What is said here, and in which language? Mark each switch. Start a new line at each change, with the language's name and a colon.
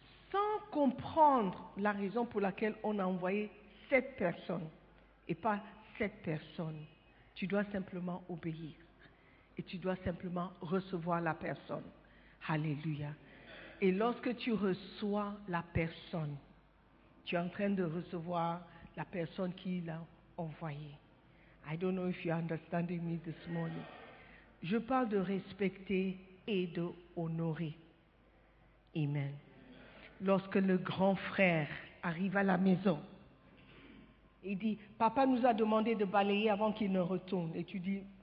French: Sans comprendre la raison pour laquelle on a envoyé cette personne et pas cette personne. Tu dois simplement obéir et tu dois simplement recevoir la personne. Alléluia. Et lorsque tu reçois la personne, tu es en train de recevoir la personne qui l'a envoyée.
English: I don't know if you're understanding me this morning.
French: Je parle de respecter et de honorer. Amen. Lorsque le grand frère arrive à la maison, il dit, papa nous a demandé de balayer avant qu'il ne retourne. Et tu dis,